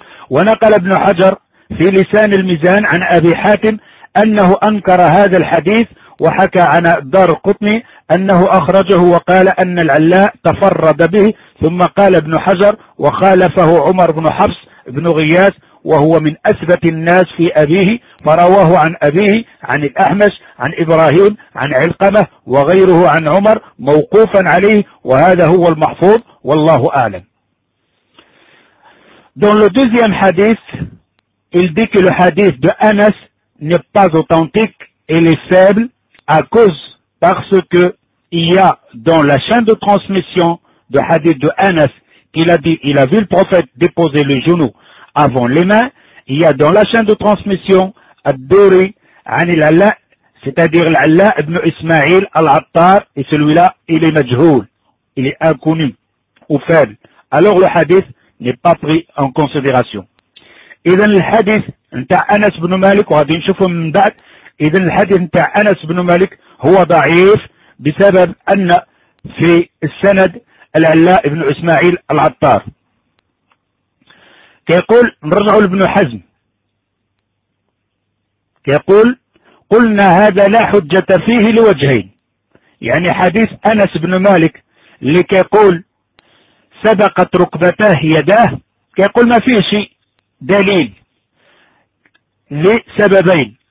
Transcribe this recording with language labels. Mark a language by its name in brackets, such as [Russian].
[Arabic] ونقل ابن حجر في لسان الميزان عن أبي حاتم أنه أنكر هذا الحديث وحكى عن دار قطني أنه أخرجه وقال أن العلاء تفرد به ثم قال ابن حجر وخالفه عمر بن حفص بن غياث وهو من أثبت الناس في أبيه، فرواه عن أبيه عن الأحمس عن إبراهيم عن علقمة وغيره عن عمر موقوفا عليه، وهذا هو المحفوظ والله أعلم. [French] دون لو دوزيام حديث il dit que le hadith de Anas n'est pas authentique, il est faible à cause parce que il y a dans la chaîne de transmission de hadith de Anas qu'il a dit il a vu le prophète déposer le genou avant les mains, il y a dans la chaîne de transmission Ad-Duri anil Alla, c'est-à-dire l'Alla ibn Ismail al-Attar, et celui-là il est majhoul, il est inconnu ou faible, alors le hadith n'est pas pris en considération. [Arabic] اذا الحديث نتاع انس بن مالك وغادي نشوفه من بعد، اذا الحديث نتاع انس بن مالك هو ضعيف بسبب ان في السند العلاء بن اسماعيل العطار. كيقول نرجع لابن حزم كيقول قلنا هذا لا حجة فيه لوجهين، يعني حديث انس بن مالك اللي كيقول سبقت ركبتاه يداه كيقول ما فيه شيء دليل لسببين.